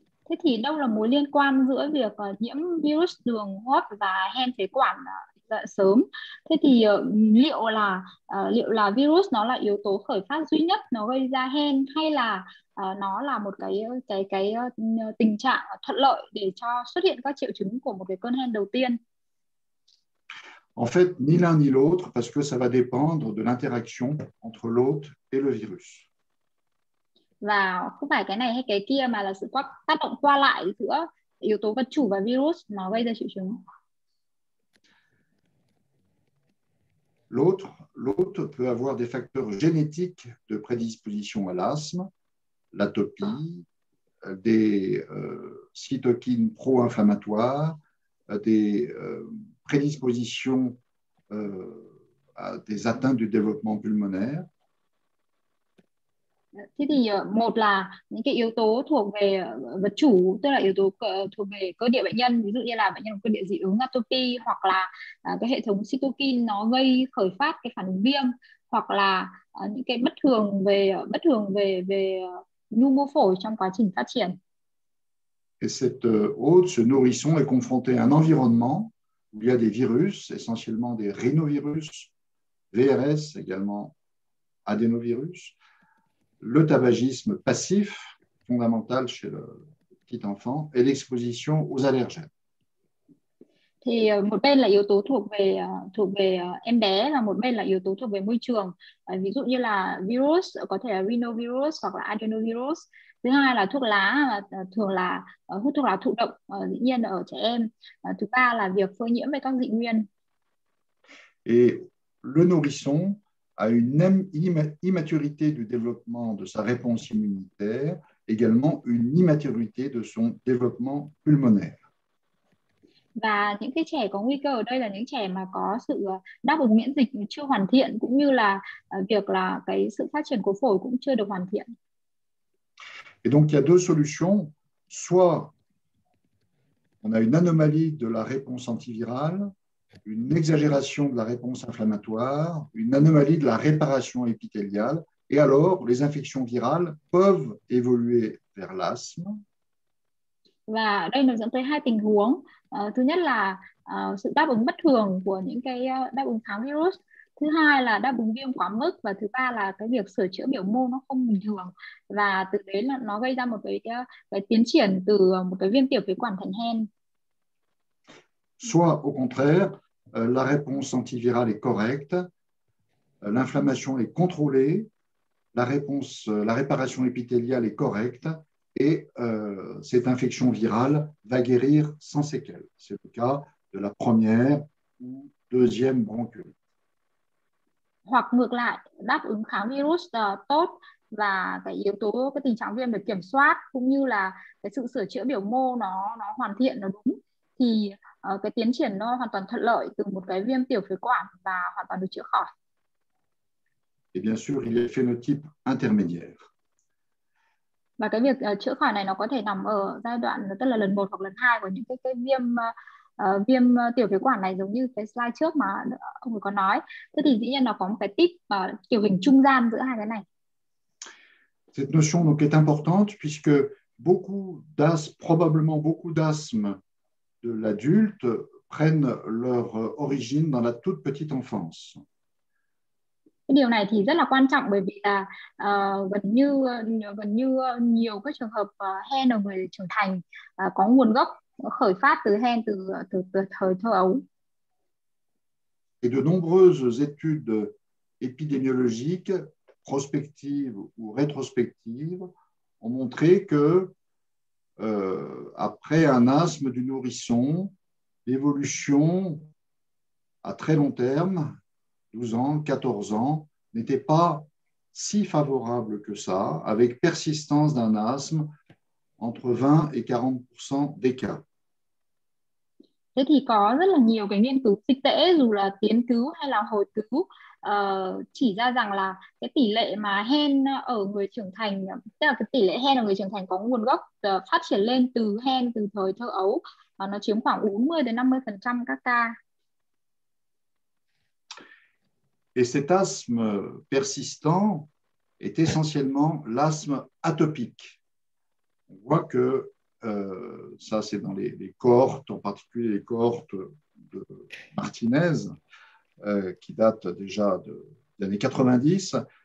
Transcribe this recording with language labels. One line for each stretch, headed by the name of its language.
Vietnamese: Thế thì đâu là mối liên quan giữa việc nhiễm virus đường hô hấp và hen phế quản sớm? Thế thì liệu là virus nó là yếu tố khởi phát duy nhất nó gây ra hen hay là nó là một cái tình trạng thuận lợi để cho xuất hiện các triệu chứng của một cái cơn hen đầu tiên?
French: En fait, ni l'un ni l'autre, parce que ça va dépendre de l'interaction entre l'hôte et le virus.
Vietnamese: Và không phải cái này hay cái kia mà là sự tác động qua lại giữa yếu tố vật chủ và virus nó gây ra triệu chứng.
French: L'hôte peut avoir des facteurs génétiques de prédisposition à l'asthme, l'atopie, des cytokines pro-inflammatoires, prédisposition à des atteintes du développement pulmonaire.
Vietnamese: Thế thì một là những cái yếu tố thuộc về vật chủ, tức là yếu tố thuộc về cơ địa bệnh nhân, ví dụ như là bệnh nhân có cơ địa dị ứng atopy hoặc là cái hệ thống cytokine nó gây khởi phát cái phản ứng viêm hoặc là những cái bất thường về nhu mô phổi trong quá trình phát triển.
French: Et cette hôte, ce nourrisson est confronté à un environnement où il y a des virus, essentiellement des rhinovirus, VRS également, adénovirus, le tabagisme passif, fondamental chez le petit enfant, et l'exposition aux allergènes.
Vietnamese: Thì một bên là yếu tố thuộc về em bé, là một bên là yếu tố thuộc về môi trường, ví dụ như là virus, có thể là rhinovirus hoặc là adenovirus. Thứ hai là thuốc lá, thường là hút thuốc lá thụ động dĩ nhiên ở trẻ em. Thứ ba là việc phơi nhiễm về các dị nguyên.
French: Et le nourrisson a une immaturité du développement de sa réponse immunitaire, également une immaturité de son développement pulmonaire.
Vietnamese: Và những cái trẻ có nguy cơ ở đây là những trẻ mà có sự đáp ứng miễn dịch chưa hoàn thiện, cũng như là việc là cái sự phát triển của phổi cũng chưa được hoàn thiện.
French: Et donc il y a deux solutions, soit on a une anomalie de la réponse antivirale, une exagération de la réponse inflammatoire, une anomalie de la réparation épithéliale, et alors les infections virales peuvent évoluer vers l'asthme.
Vietnamese: Và đây nó dẫn tới hai tình huống. Thứ nhất là sự đáp ứng bất thường của những cái đáp ứng kháng virus. Thứ hai là đáp ứng viêm quá mức. Và thứ ba là cái việc sửa chữa biểu mô nó không bình thường. Và từ đấy là nó gây ra một cái tiến triển từ một cái viêm tiểu phế quản thành hen.
French: Soit au contraire, la réponse antivirale est correcte, l'inflammation est contrôlée, la réparation épithéliale est correcte, et cette infection virale va guérir sans séquelles. C'est le cas de la première ou deuxième bronchiole.
Vietnamese: Hoặc ngược lại, đáp ứng kháng virus tốt và cái yếu tố cái tình trạng viêm được kiểm soát, cũng như là cái sự sửa chữa biểu mô nó hoàn thiện, nó đúng, thì cái tiến triển nó hoàn toàn thuận lợi từ một cái viêm tiểu phế quản và hoàn toàn được chữa khỏi.
French: Et bien sûr, il y a phénotype intermédiaire.
Vietnamese: Và cái việc chữa khỏi này nó có thể nằm ở giai đoạn tức là lần 1 hoặc lần 2 của những cái viêm viêm tiểu phế quản này, giống như cái slide trước mà ông ấy có nói. Thế thì dĩ nhiên nó có một cái tip kiểu hình trung gian giữa hai cái này.
French: Cette notion donc est importante puisque beaucoup d'asthme, probablement beaucoup d'asthme de l'adulte prennent leur origine dans la toute petite enfance.
Vietnamese: Điều này thì rất là quan trọng bởi vì là gần như nhiều các trường hợp hen ở người trưởng thành có nguồn gốc khởi phát từ hen từ thời thơ ấu.
French: Et de nombreuses études épidémiologiques prospectives ou rétrospectives ont montré que après un asthme du nourrisson, l'évolution à très long terme, 12 ans, 14 ans, n'était pas si favorable que ça, avec persistance d'un asthme entre 20 et 40% des cas.
Vietnamese: Thế thì có rất là nhiều cái nghiên cứu dịch tễ, dù là tiến cứu hay là hồi cứu, chỉ ra rằng là cái tỷ lệ mà hen ở người trưởng thành, tức là cái tỷ lệ hen ở người trưởng thành có nguồn gốc phát triển lên từ hen từ thời thơ ấu, nó chiếm khoảng 40-50% các ca.
French: Et cet asthme persistant est essentiellement l'asthme atopique. On voit que ça, c'est dans les cohortes, en particulier les cohortes de Martinez, qui datent déjà des années 90.